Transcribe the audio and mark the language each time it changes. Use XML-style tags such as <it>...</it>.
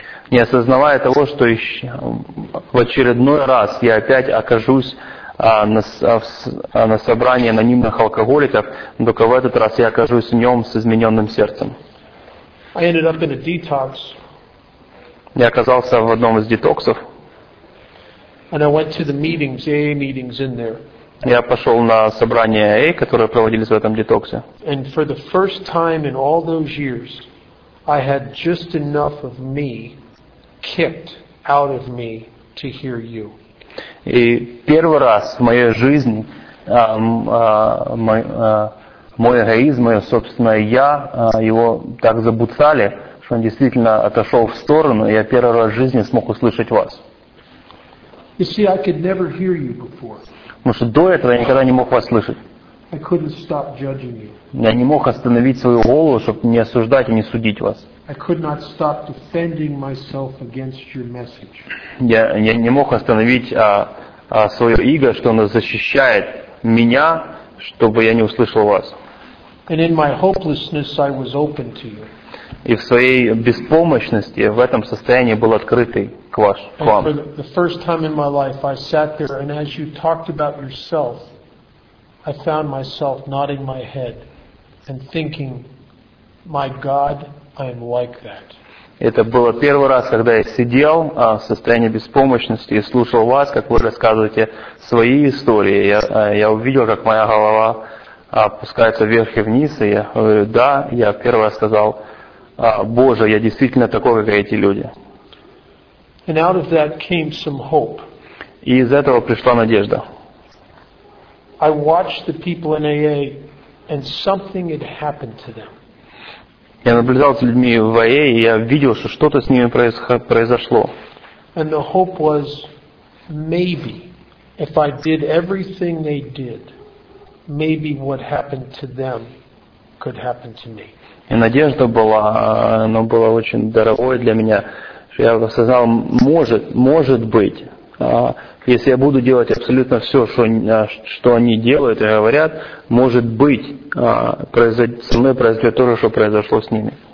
<ru>Не осознавая того, что еще в очередной раз я опять окажусь на собрании анонимных алкоголиков, только в этот раз я окажусь в нем с измененным сердцем.</ru> <en>I ended up in a detox.</en> <ru>Я оказался в одном из детоксов.</ru> <en>And I went to the meetings, AA meetings in there.</en> <ru>Я пошел на собрания AA, которые проводились в этом детоксе.</ru> <en>And for the first time in all those years, I had just enough of me kicked out of me to hear you.</en> <ru>И первый раз в моей жизни мой эгоизм, мое собственное я, его так забуцали, что он действительно отошел в сторону, и я первый раз в жизни смог услышать вас.</ru> <en>You see, I could never hear you before.</en> <ru>Потому что до этого я никогда не мог вас слышать.</ru> <en>I couldn't stop judging you.</en> <ru>Я не мог остановить свою голову, чтобы не осуждать и не судить вас.</ru> <en>I could not stop defending myself against your message.</en> <ru>Я не мог остановить свое иго, что оно защищает меня, чтобы я не услышал вас.</ru> <en>And in my hopelessness, I was open to you.</en> <ru>И в своей беспомощности в этом состоянии был открытый к вам.</ru> <en>And for the first time in my life, I sat there, and as you talked about yourself, I found myself nodding my head and thinking, "My God, I am like that."</en> <ru>Это было первый раз, когда я сидел в состоянии беспомощности и слушал вас, как вы рассказываете свои истории. Я увидел, как моя голова опускается вверх и вниз, и я говорю: "Да, я первый раз сказал." Боже, я действительно такой, как эти люди.</ru> <en>And out of that came some hope.</en> <ru>И из этого пришла надежда.</ru> <en>I watched the people in AA, and something had happened to them.</en> <ru>Я наблюдал с людьми в АА, и я видел, что что-то с ними произошло.</ru> <en>And the hope was, maybe, if I did everything they did, maybe what happened to them could happen to me.</en> <ru>И надежда была, оно было очень дорогое для меня, что я осознал, может быть, если я буду делать абсолютно все, что они делают и говорят, может быть, со мной произойдет то же, что произошло с ними.</ru>